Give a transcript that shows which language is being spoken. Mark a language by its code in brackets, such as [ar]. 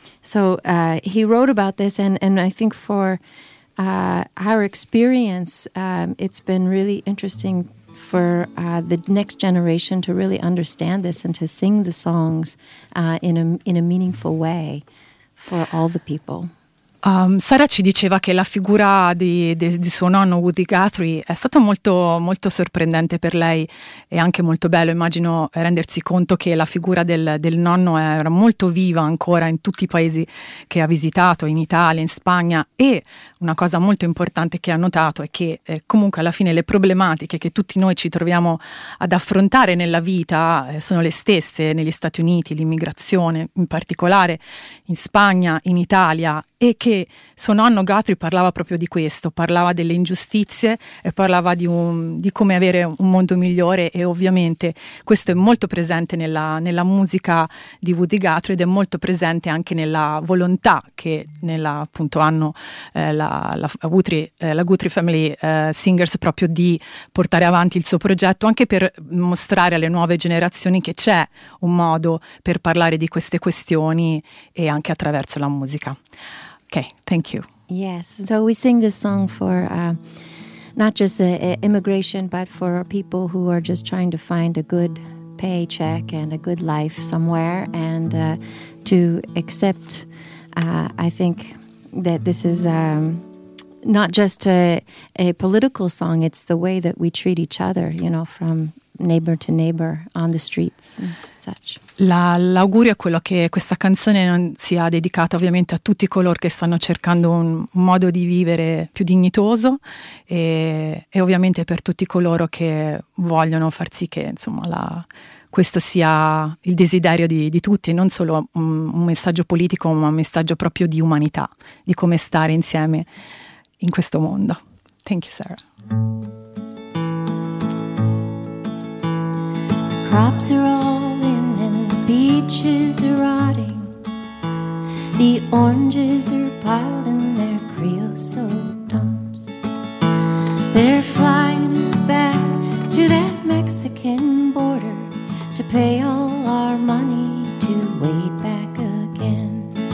[en] So he wrote about this, and I think for our experience, it's been really interesting for the next generation to really understand this and to sing the songs in a meaningful way for all the people. [it] Sara ci diceva che la figura di suo nonno Woody Guthrie è stata molto, molto sorprendente per lei e anche molto bello, immagino, rendersi conto che la figura del nonno era molto viva ancora in tutti i paesi che ha visitato, in Italia, in Spagna, e una cosa molto importante che ha notato è che comunque alla fine le problematiche che tutti noi ci troviamo ad affrontare nella vita sono le stesse negli Stati Uniti, l'immigrazione in particolare, in Spagna, in Italia, e che che suo nonno Guthrie parlava proprio di questo, parlava delle ingiustizie e parlava di come avere un mondo migliore, e ovviamente questo è molto presente nella musica di Woody Guthrie ed è molto presente anche nella volontà che appunto hanno la Guthrie Family Singers, proprio di portare avanti il suo progetto, anche per mostrare alle nuove generazioni che c'è un modo per parlare di queste questioni e anche attraverso la musica. [en] Okay, thank you. Yes, so we sing this song for not just the immigration, but for people who are just trying to find a good paycheck and a good life somewhere, and to accept, I think that this is not just a political song, it's the way that we treat each other, you know, from neighbor to neighbor on the streets and such. [it] L'augurio è quello che questa canzone sia dedicata ovviamente a tutti coloro che stanno cercando un modo di vivere più dignitoso, e ovviamente per tutti coloro che vogliono far sì che, insomma, questo sia il desiderio di tutti, e non solo un messaggio politico, ma un messaggio proprio di umanità, di come stare insieme in questo mondo. [en] Thank you, Sarah. Crops are all in and the beaches are rotting. The oranges are piled in their creosote dumps. They're flying us back to that Mexican border to pay all our money to wade back again.